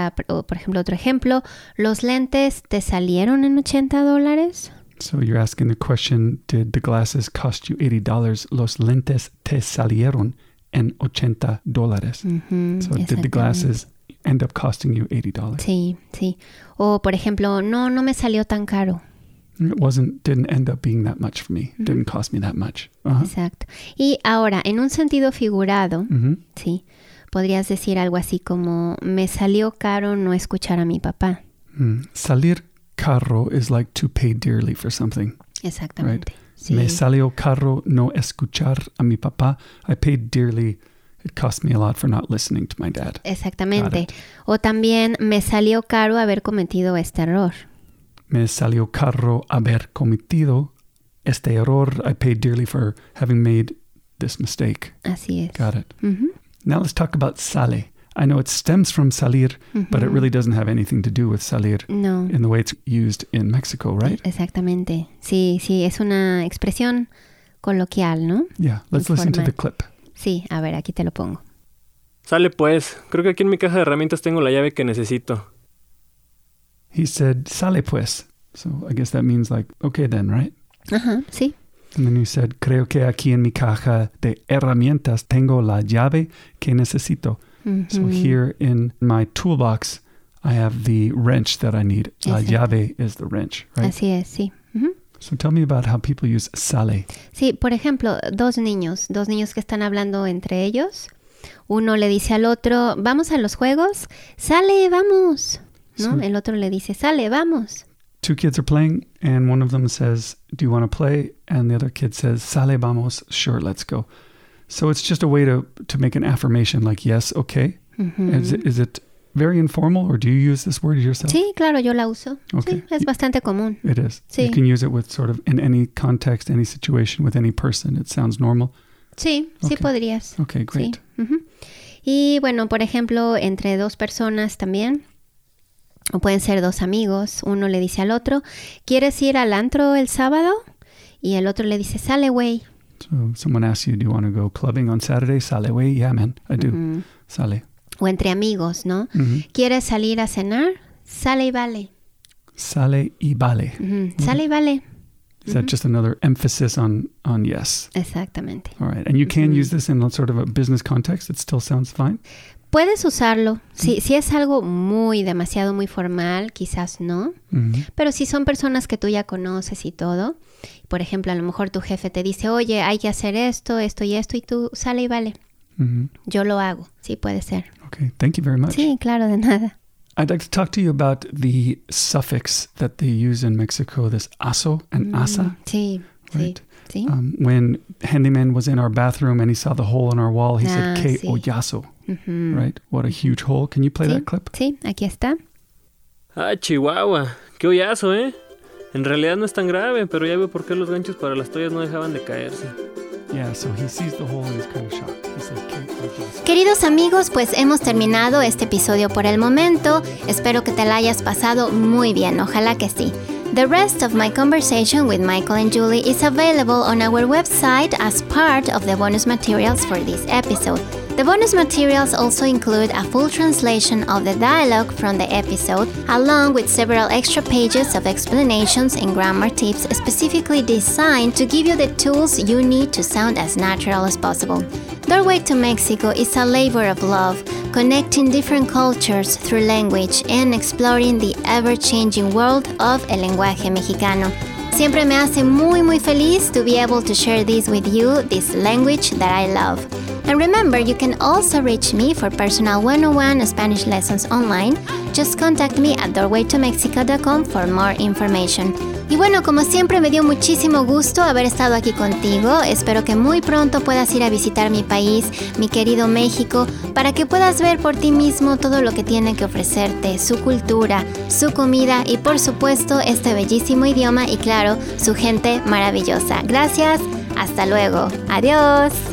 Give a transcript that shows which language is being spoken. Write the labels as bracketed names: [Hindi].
[Spanish] Otro ejemplo, ¿los lentes te salieron en $80? [English] So you're asking the question, did the glasses cost you $80? [Spanish] ¿Los lentes te salieron en $80? Mm-hmm. [English] So did the glasses end up costing you $80. [Spanish] Sí, sí. O, por ejemplo, no me salió tan caro. [English] Didn't end up being that much for me. Mm-hmm. Didn't cost me that much. [Spanish] Uh-huh. Exacto. Y ahora, en un sentido figurado, mm-hmm. sí, podrías decir algo así como, me salió caro no escuchar a mi papá. [English] Mm. Salir caro is like to pay dearly for something. [Spanish] Exactamente. [English] Right? Sí. [Spanish] Me salió caro no escuchar a mi papá. [English] I paid dearly. It cost me a lot for not listening to my dad. [Spanish] Exactamente. O también, me salió caro haber cometido este error. Me salió caro haber cometido este error. [English] I paid dearly for having made this mistake. [Spanish] Así es. [English] Got it. Mm-hmm. Now let's talk about sale. I know it stems from salir, mm-hmm. but it really doesn't have anything to do with salir [Spanish] no. [English] in the way it's used in Mexico, right? [Spanish] Exactamente. Sí, sí, es una expresión coloquial, ¿no? [English] Yeah, let's Informal. Listen to the clip. [Spanish] Sí, a ver, aquí te lo pongo. Sale pues. Creo que aquí en mi caja de herramientas tengo la llave que necesito. [English] He said, [Spanish] sale pues. [English] So I guess that means like, okay then, right? [Spanish] Ajá, sí. [English] And then he said, [Spanish] creo que aquí en mi caja de herramientas tengo la llave que necesito. Mm-hmm. [English] So here in my toolbox, I have the wrench that I need. La Exacto. llave is the wrench, right? [Spanish] Así es, sí. [English] So tell me about how people use sale. [Spanish] Sí, por ejemplo, dos niños que están hablando entre ellos. Uno le dice al otro, vamos a los juegos. Sale, vamos. ¿No? So, el otro le dice, sale, vamos. [English] two kids are playing, and one of them says, do you want to play? And the other kid says, [Spanish] sale, vamos, [English] sure, let's go. So it's just a way to make an affirmation like, yes, okay. Mm-hmm. Is it very informal, or do you use this word yourself? [Spanish] Sí, claro, yo la uso. Okay. Sí, es bastante común. [English] It is. Sí. You can use it with sort of in any context, any situation, with any person. It sounds normal. [Spanish] Sí, okay. Sí podrías. [English] Okay, great. [Spanish] Sí. Mm-hmm. Y bueno, por ejemplo, entre dos personas también, o pueden ser dos amigos, uno le dice al otro, ¿quieres ir al antro el sábado? Y el otro le dice, sale, güey. [English] So someone asks you, do you want to go clubbing on Saturday? [Spanish] Sale, güey. [English] Yeah, man, I do. Mm-hmm. Sale. [Spanish] O entre amigos, ¿no? Mm-hmm. ¿Quieres salir a cenar? Sale y vale. Sale y vale. Mm-hmm. Sale y vale. [English] Is that just another emphasis on yes? [Spanish] Exactamente. [English] All right. And you can use this in sort of a business context. It still sounds fine. [Spanish] Puedes usarlo. Si es algo muy, demasiado, muy formal, quizás no. Mm-hmm. Pero si son personas que tú ya conoces y todo. Por ejemplo, a lo mejor tu jefe te dice, oye, hay que hacer esto, esto y esto. Y tú, sale y vale. Mm-hmm. Yo lo hago. Sí, puede ser. [English] Okay, thank you very much. [Spanish] Sí, claro, de nada. [English] I'd like to talk to you about the suffix that they use in Mexico, this aso and asa. [Spanish] Sí, right? Sí. [English] When Handyman was in our bathroom and he saw the hole in our wall, he said, [Spanish] que hoyazo. [English] Mm-hmm. Right? What a huge hole. Can you play that clip? [Spanish] Sí, aquí está. Ah, Chihuahua. Qué hoyazo, ¿eh? En realidad no es tan grave, pero ya veo por qué los ganchos para las toallas no dejaban de caerse. [English] Yeah, so he sees the hole and he's kind of shocked. [Spanish] Queridos amigos, pues hemos terminado este episodio por el momento. Espero que te la hayas pasado muy bien, ojalá que sí. [English] The rest of my conversation with Michael and Julie is available on our website as part of the bonus materials for this episode. The bonus materials also include a full translation of the dialogue from the episode, along with several extra pages of explanations and grammar tips specifically designed to give you the tools you need to sound as natural as possible. Doorway to Mexico is a labor of love, connecting different cultures through language and exploring the ever-changing world of [Spanish] el lenguaje mexicano. Siempre me hace muy, muy feliz [English] to be able to share this with you, this language that I love. And remember, you can also reach me for personal 101 Spanish lessons online. Just contact me at doorwaytomexico.com for more information. [Spanish] Y bueno, como siempre, me dio muchísimo gusto haber estado aquí contigo. Espero que muy pronto puedas ir a visitar mi país, mi querido México, para que puedas ver por ti mismo todo lo que tiene que ofrecerte, su cultura, su comida y, por supuesto, este bellísimo idioma y, claro, su gente maravillosa. Gracias, hasta luego. Adiós.